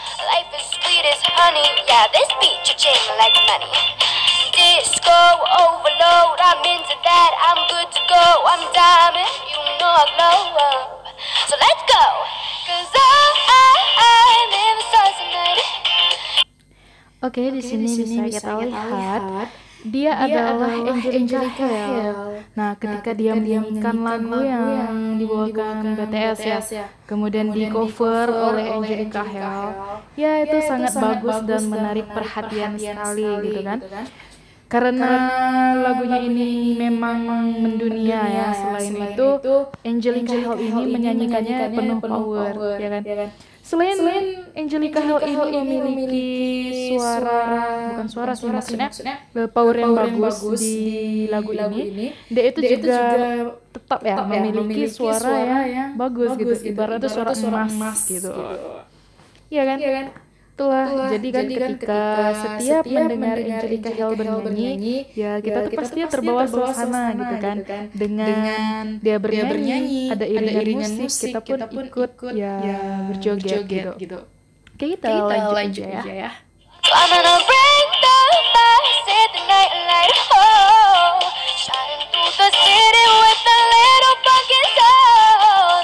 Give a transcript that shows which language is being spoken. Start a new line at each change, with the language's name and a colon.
English: Life is sweet as honey, yeah, this beat cha-ching like money. Disco overload, I'm into that, I'm good to go. I'm diamond, you know I glow up. So let's go, cause I'm in the stars tonight.
Indonesian: Oke, okay, di sini bisa kita lihat dia adalah Angelica Hale. Nah, ketika dia menyanyikan lagu yang dibawakan BTS ya, kemudian di cover oleh Angelica Hale, ya itu sangat bagus dan menarik perhatian sekali gitu kan. Karena lagunya ini memang mendunia ya. Selain itu, Angelica Hale ini menyanyikannya penuh power ya kan. Selain Angelica Hale ini memiliki suara, maksudnya power yang bagus di lagu ini, dia itu juga tetap ya memiliki suara yang bagus gitu, ibaratnya suara emas gitu. Iya kan? Itulah, jadi kan ketika setiap mendengar Angelica Hale bernyanyi, ya kita tuh pastinya terbawa suasana gitu kan. Dengan dia bernyanyi, ada iringan musik, kita pun ikut ya berjoget gitu. Oke, kita lanjut aja ya.
English: I'm gonna bring the fire, set the night alight. Oh, shining through the city with a little funky soul.